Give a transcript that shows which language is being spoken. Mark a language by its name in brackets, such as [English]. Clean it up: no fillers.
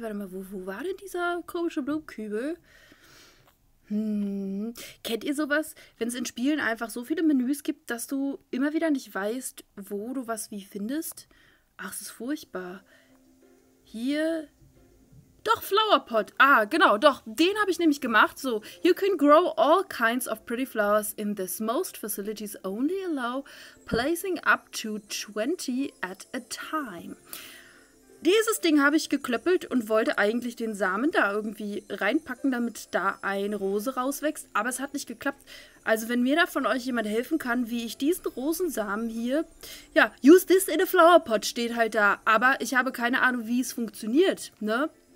[German] Warte mal, wo war denn dieser komische Blumenkübel? Kennt ihr sowas, wenn es in Spielen einfach so viele Menüs gibt, dass du immer wieder nicht weißt, wo du was wie findest? Ach, es ist furchtbar. Hier. Doch, Flowerpot. Ah, genau, doch. Den habe ich nämlich gemacht. [English] So, you can grow all kinds of pretty flowers in this. Most facilities only allow placing up to 20 at a time. [German] Dieses Ding habe ich geklöppelt und wollte eigentlich den Samen da irgendwie reinpacken, damit da eine Rose rauswächst. Aber es hat nicht geklappt. Also wenn mir da von euch jemand helfen kann, wie ich diesen Rosensamen hier... Ja, [English] use this in a flower pot [German] steht halt da. Aber ich habe keine Ahnung, wie es funktioniert, ne?